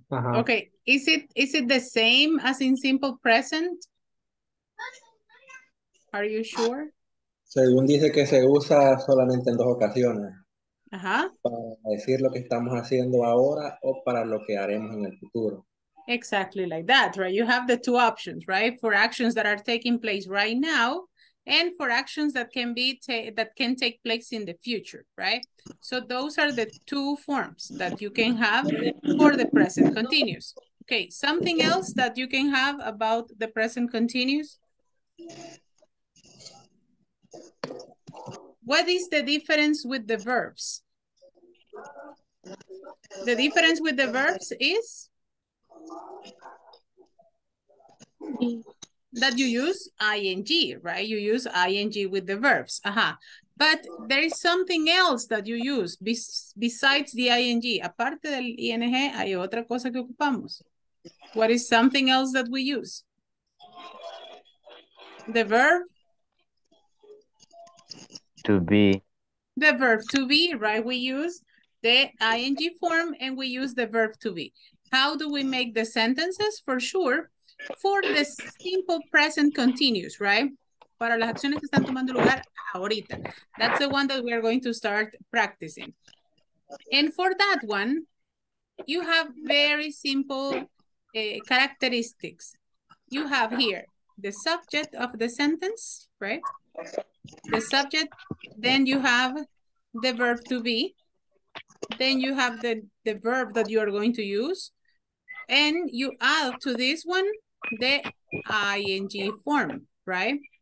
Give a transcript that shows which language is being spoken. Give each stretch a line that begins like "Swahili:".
English: Okay, is it the same as in simple present? Are you sure?
Spanish: Según dice que se usa solamente en dos ocasiones. Ajá. Para decir lo que estamos haciendo ahora o para lo que haremos en el futuro.
English: Exactly like that, right? You have the two options, right? For actions that are taking place right now and for actions that can be that can take place in the future, right? So those are the two forms that you can have for the present continuous. Okay, something else that you can have about the present continuous? What is the difference with the verbs? The difference with the verbs is that you use ing, right? You use ing with the verbs. Uh-huh. But there is something else that you use besides the ing.
Spanish: Aparte del ing, hay otra cosa que ocupamos.
English: What is something else that we use? The verb? To be. The verb to be, right? We use the ing form and we use the verb to be. How do we make the sentences? For sure, for the simple present continuous, right?
Spanish: Para las acciones que están tomando lugar ahorita.
English: That's the one that we are going to start practicing. And for that one, you have very simple characteristics. You have here the subject of the sentence, right? The subject, then you have the verb to be, then you have the verb that you are going to use, and you add to this one the ing form, right?